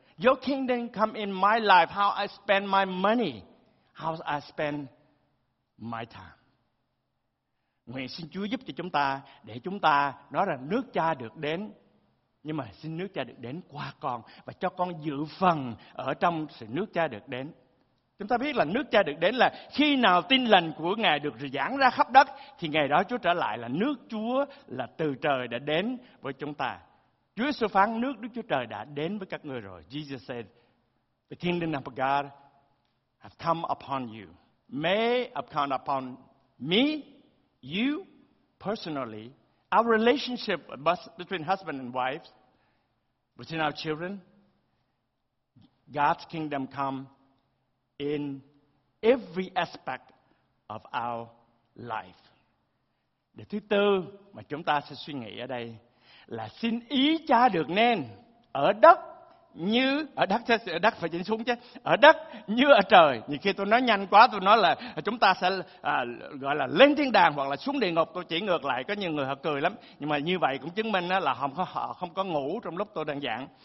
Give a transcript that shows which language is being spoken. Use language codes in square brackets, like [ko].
[en] Your kingdom come in my life, how I spend my money, how I spend my time. [vi] Nguyện xin Chúa giúp cho chúng ta, để chúng ta nói rằng nước Cha được đến. Nhưng mà xin nước Cha được đến qua con và cho con dự phần ở trong sự nước Cha được đến. Chúng ta biết là nước Cha được đến là khi nào tin lành của Ngài được giảng ra khắp đất thì ngày đó Chúa trở lại là nước Chúa là từ trời đã đến với chúng ta. Chúa sư phán nước Đức Chúa Trời đã đến với các người rồi. [en] Jesus said, the kingdom of God have come upon you. May have come upon me, you personally. Our relationship between husband and wife, between our children, God's kingdom come in every aspect of our life. [vi] Điều thứ tư mà chúng ta sẽ suy nghĩ ở đây là xin ý Cha được nên ở đất như ở đất phải chỉnh xuống chứ, ở đất như ở trời. Nhiều khi tôi nói nhanh quá, tôi nói là chúng ta sẽ gọi là lên thiên đàng hoặc là xuống địa ngục, tôi chỉ ngược lại, có nhiều người họ cười lắm, nhưng mà như vậy cũng chứng minh là họ không có ngủ trong lúc tôi đang giảng.